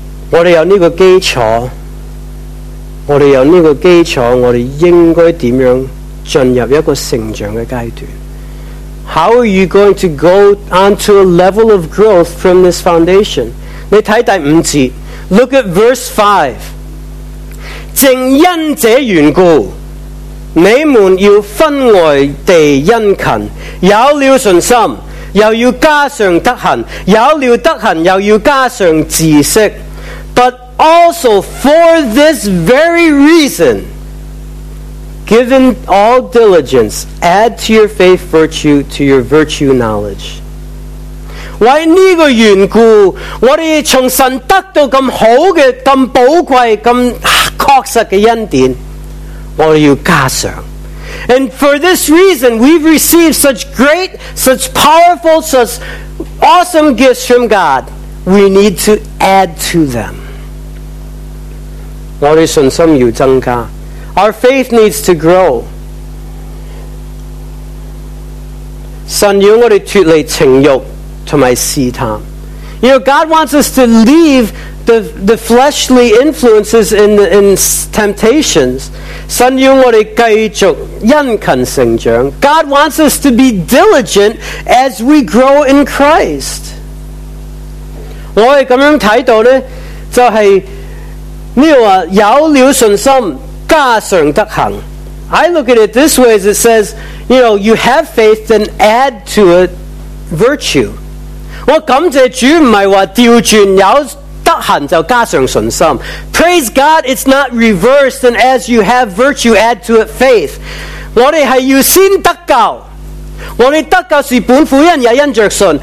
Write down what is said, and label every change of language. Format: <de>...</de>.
<zh>我们有这个基础，我们有这个基础，我们应该怎样进入一个成长的阶段？</zh> <en>How are you going to go onto a level of growth from this foundation?</en> <zh>你看第五节，</zh> <en>Look at verse 5.</en> <zh>正因这缘故，你们要分外地殷勤，有了信心，又要加上德行，有了德行，又要加上知识。</zh> <en>But also for this very reason, given all diligence, add to your faith virtue, to your virtue knowledge.</en> <zh>为这个缘故，我们从神得到这么好的、这么宝贵、这么确实的恩典，我们要加上。</zh> <en>And for this reason, we've received such great, such powerful, such awesome gifts from God. We need to add to them.</en> <zh>我们信心要增加。</zh> <en>Our faith needs to grow.</en> <zh>神要我们脱离情欲和试探。</zh> <en>You know, God wants us to leave the fleshly influences in temptations.</en> <zh>神要我们继续殷勤成长.</zh> <en>God wants us to be diligent as we grow in Christ.</en> <zh>我们这样看到呢, 就是, 这个, 有了信心, 加上德行.</zh> <en>I look at it this way, as it says, you know, you have faith, then add to it virtue.</en> <zh>我感谢主不是说调转有德行就加上信心.</zh> <en>Praise God, it's not reversed, and as you have virtue, add to it faith.</en> <zh>我们是要先得救. 我们得救是本乎恩也因着信.</zh>